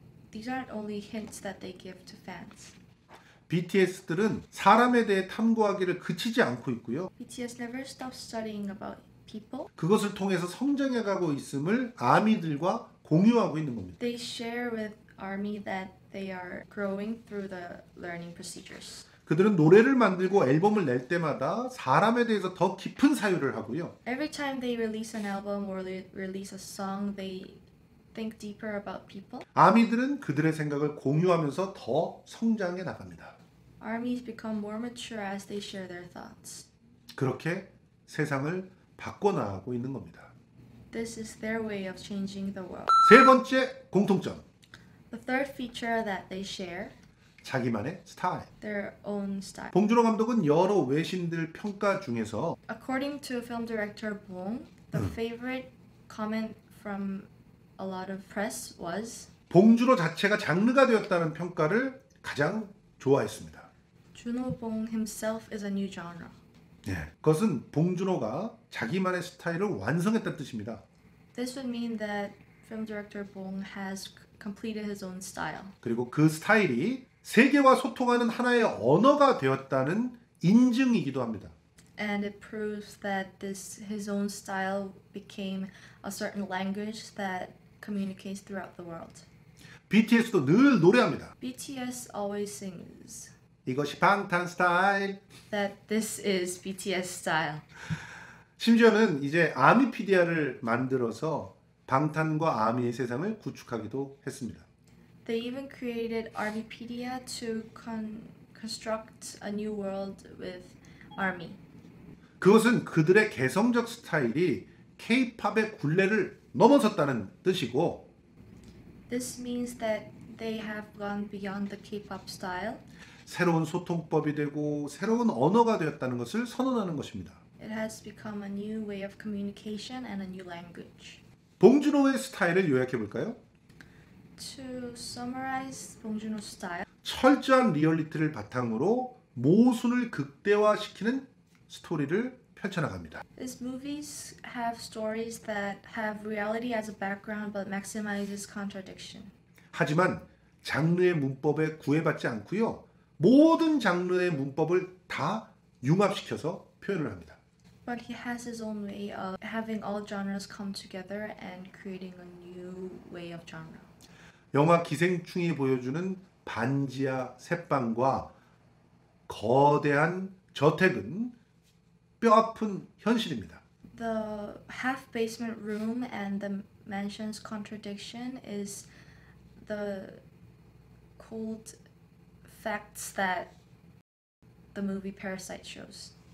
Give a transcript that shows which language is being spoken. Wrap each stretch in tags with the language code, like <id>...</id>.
<en>These aren't only hints that they give to fans.</en> <ko>BTS들은 사람에 대해 탐구하기를 그치지 않고 있고요.</ko> <en>BTS never stops studying about people.</en> <ko>그것을 통해서 성장해 가고 있음을 아미들과 공유하고 있는 겁니다.</ko> <en>They share with ARMY that they are growing through the learning procedures.</en> <ko>그들은 노래를 만들고 앨범을 낼 때마다 사람에 대해서 더 깊은 사유를 하고요.</ko> <en>Every time they release an album or release a song, they think deeper about people.</en> <ko>아미들은 그들의 생각을 공유하면서 더 성장해 나갑니다.</ko> <en>ARMYs become more mature as they share their thoughts.</en> <ko>그렇게 세상을 바꿔 나가고 있는 겁니다.</ko> <en>This is their way of changing the world.</en> <ko>세 번째 공통점.</ko> <en>The third feature that they share</en> <ko>자기만의 스타일.</ko> <en>Their own style.</en> <ko>봉준호 감독은 여러 외신들 평가 중에서</ko> <en>According to film director Bong, the favorite comment from a lot of press was</en> <ko>봉준호 자체가 장르가 되었다는 평가를 가장 좋아했습니다.</ko> <en>Juno Bong himself is a new genre.</en> <ko>네, 그것은 봉준호가 자기만의 스타일을 완성했다는 뜻입니다.</ko> <en>This would mean that film director Bong has completed his own style.</en> <ko>그리고 그 스타일이 세계와 소통하는 하나의 언어가 되었다는 인증이기도 합니다.</ko> <en>And it proves that this his own style became a certain language that communicates throughout the world.</en> <ko>BTS도 늘 노래합니다.</ko> <en>BTS always sings.</en> <ko>이것이 방탄 스타일.</ko> <en>That this is BTS style.</en> <ko>심지어는 이제 아미피디아를 만들어서 방탄과 아미의 세상을 구축하기도 했습니다.</ko> <en>They even created ARMYpedia to construct a new world with ARMY.</en> <ko>그것은 그들의 개성적 스타일이 K-POP의 굴레를 넘어섰다는 뜻이고</ko> <en>This means that they have gone beyond the K-POP style.</en> <ko>새로운 소통법이 되고 새로운 언어가 되었다는 것을 선언하는 것입니다.</ko> <en>It has become a new way of communication and a new language.</en> <ko>봉준호의 스타일을 요약해 볼까요?</ko> <en>To summarize 봉준호's style.</en> <ko>철저한 리얼리티를 바탕으로 모순을 극대화시키는 스토리를 펼쳐나갑니다.</ko> <en>His movies have stories that have reality as a background but maximizes contradiction.</en> <ko>하지만 장르의 문법에 구애받지 않고요. 모든 장르의 문법을 다 융합시켜서 표현을 합니다.</ko> <en>But he has his own way of having all genres come together and creating a new way of genre.</en> <ko>영화 기생충이 보여주는 반지하 셋방과 거대한 저택은 뼈아픈 현실입니다.</ko> <en>The half basement room and the mansion's contradiction is the cold facts that the movie Parasite shows.</en>